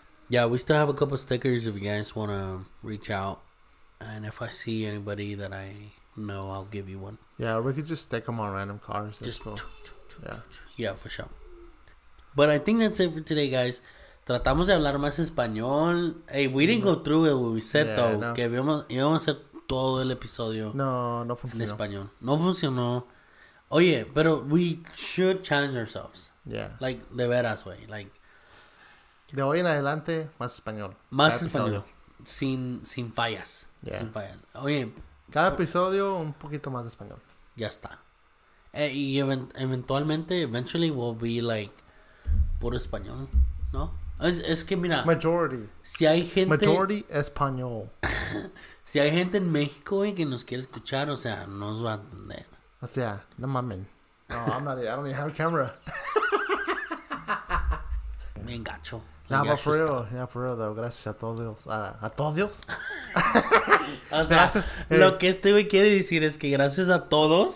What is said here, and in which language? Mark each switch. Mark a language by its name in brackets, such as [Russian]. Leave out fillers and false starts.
[English] Yeah, we still have a couple stickers if you guys want to reach out. And if I see anybody that I know, I'll give you one. Yeah, we could just stick them on random cars. That's just cool. Yeah. Yeah, for sure. But I think that's it for today, guys. [Spanish] Tratamos de hablar más español. [English] Hey, we didn't go through it what we said, yeah, though. [Spanish] No. Que íbamos a hacer todo el episodio. No, no funcionó. En español. No funcionó. Oye, pero [English] we should challenge ourselves. Yeah. [Spanish] Like, de veras, güey. Like, de hoy en adelante, más español. Más cada español. Episodio. Sin fallas. Yeah. Sin fallas. Oye. Cada episodio, un poquito más de español. Ya está. Y [English] eventually will be like [Spanish] puro español, ¿no? Es que mira, [English] majority español. [Spanish] Si hay gente en México y que nos quiere escuchar, o sea, nos va a atender. O sea, no mames. [English] No, I'm not, I don't even have a camera. [Spanish] Me engacho. [English] No, but for real, yeah, for real though. [Spanish] Gracias a todos. A todos. O sea, gracias, hey. Lo que este güey quiere decir es que gracias a todos,